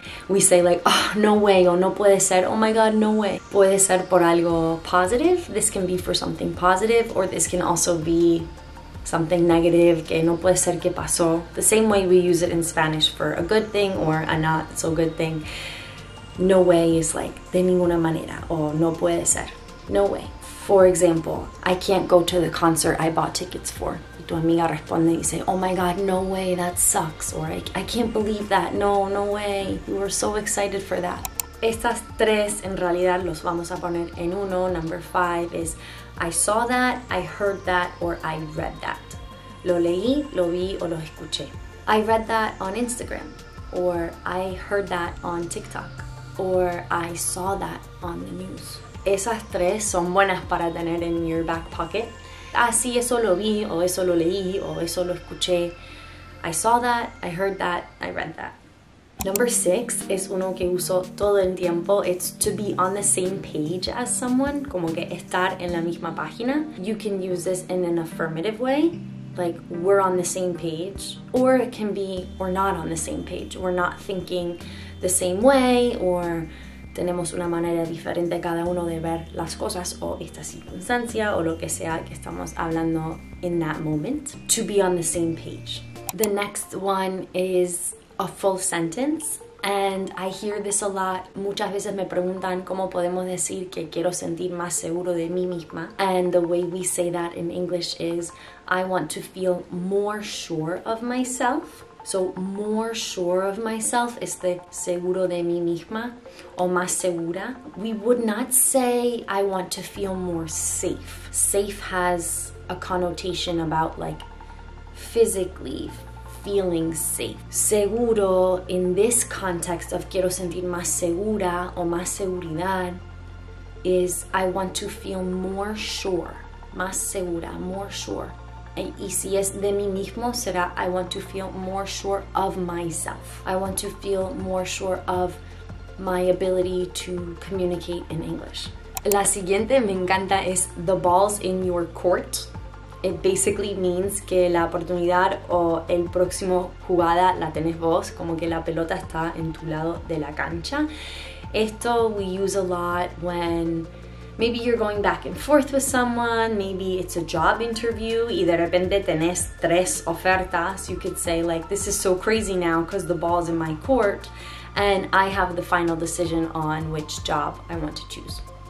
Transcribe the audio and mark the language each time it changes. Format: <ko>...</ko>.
<en>We say, like, oh, no way,</en> <es>o no puede ser.</es> <en>Oh my God, no way.</en> <es>Puede ser por algo</es> <en>positive. This can be for something positive, or this can also be something negative,</en> <es>que no puede ser que pasó.</es> <en>The same way we use it in Spanish for a good thing or a not so good thing. No way is like,</en> <es>de ninguna manera, o no puede ser.</es> <en>No way. For example, I can't go to the concert I bought tickets for. Y tu amiga responde y dice, oh my God, no way, that sucks. Or I can't believe that, no, no way. We were so excited for that.</en> <es>Estas tres en realidad los vamos a poner en uno.</es> <en>Number five is, I saw that, I heard that, or I read that.</en> <es>Lo leí, lo vi, o lo escuché.</es> <en>I read that on Instagram. Or I heard that on TikTok. Or I saw that on the news.</en> <es>Esas tres son buenas para tener en</es> <en>your back pocket.</en> <es>Ah, sí, eso lo vi, o eso lo leí, o eso lo escuché.</es> <en>I saw that, I heard that, I read that. Number six</en> <es>es uno que uso todo el tiempo.</es> <en>It's to be on the same page as someone.</en> <es>Como que estar en la misma página.</es> <en>You can use this in an affirmative way. Like, we're on the same page. Or it can be, we're not on the same page. We're not thinking the same way, or</en> <es>tenemos una manera diferente cada uno de ver las cosas o esta circunstancia o lo que sea que estamos hablando</es> <en>in that moment. To be on the same page. The next one is a full sentence. And I hear this a lot.</en> <es>Muchas veces me preguntan cómo podemos decir que quiero sentir más seguro de mí misma.</es> <en>And the way we say that in English is I want to feel more sure of myself. So more sure of myself is the</en> <es>seguro de mí misma o más segura.</es> <en>We would not say I want to feel more safe. Safe has a connotation about like physically feeling safe. Seguro, in this context of</en> <es>quiero sentir más segura o más seguridad,</es> <en>is I want to feel more sure.</en> <es>Más segura,</es> <en>more sure.</en> <es>Y si es de mí mismo, será</es> <en>I want to feel more sure of myself. I want to feel more sure of my ability to communicate in English.</en> <es>La siguiente me encanta es</es> <en>the ball's in your court. It basically means</en> <es>que la oportunidad o el próximo jugada la tenés vos, como que la pelota está en tu lado de la cancha.</es> <en>Esto we use a lot when maybe you're going back and forth with someone, maybe it's a job interview,</en> <es>y de repente tenés tres ofertas.</es> <en>You could say like, this is so crazy now because the ball's in my court and I have the final decision on which job I want to choose.</en>